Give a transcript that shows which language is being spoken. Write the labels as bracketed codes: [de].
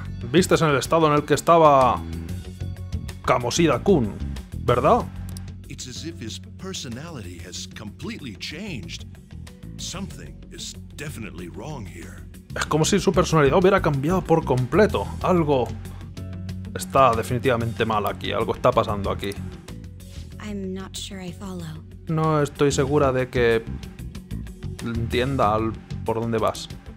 [es] ¿Viste en el estado en el que estaba Kamoshida-kun, verdad? [en] It's as if his personality has completely changed. Something is definitely wrong here. [es] Es como si su personalidad hubiera cambiado por completo. Algo está definitivamente mal aquí. Algo está pasando aquí. [en] I'm not sure I follow. [es] No estoy segura de que entienda por dónde vas.